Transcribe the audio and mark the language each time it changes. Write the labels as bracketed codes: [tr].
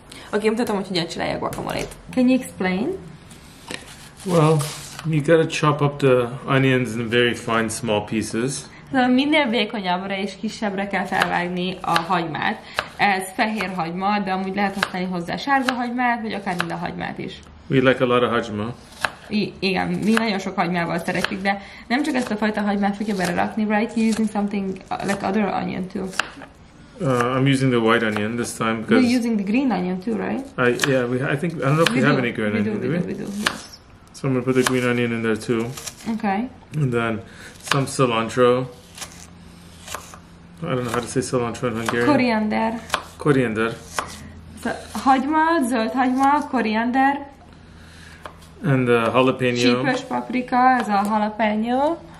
[hu] Okay, mutatom, hogy hogyan csinálja a guacamolét. [en] Can you explain? Well, you gotta chop up the onions in very fine, small pieces. [hu] Szóval minél vékonyabbra és kisebbre kell felvágni a hagymát. Ez fehér hagyma, de amúgy lehet használni hozzá sárga hagymát, vagy akár mind a hagymát is. [en] We like a lot of hagyma. [hu] Igen, mi nagyon sok hagymával szeretjük, de nem csak ezt a fajta hagymát fogja belerakni, right? [en] You're using something like other onion too. I'm using the white onion this time because... You're using the green onion too, right? I don't know if we have any green onion, do we? So I'm gonna put the green onion in there too. Okay. And then... Some cilantro. I don't know how to say cilantro in Hungarian. [hu] Koriander. Koriander. Hagyma, zöld hagyma, koriander. [en] And jalapeno. [hu] Csípős paprika, ez a jalapeno.